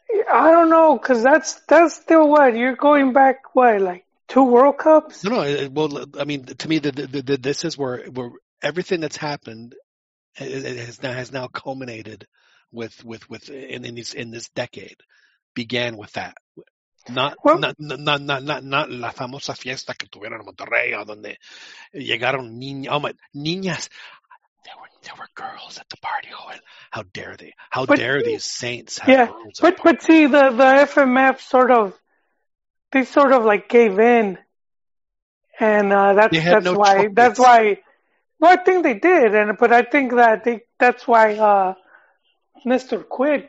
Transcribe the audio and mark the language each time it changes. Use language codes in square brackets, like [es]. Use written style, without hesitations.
[en] I don't know, because that's still what? You're going back, what, like, 2 World Cups? No. Well, I mean, to me, the this is where everything that's happened has now culminated with in this decade began with that. [es] Not la famosa fiesta que tuvieron en Monterrey, a donde llegaron niñas. [en] There were girls at the party. Oh, how dare they? How dare these saints have girls? But see, the FMF sort of gave in, and that's why. Well, I think they did, but I think that's why Nestor quit.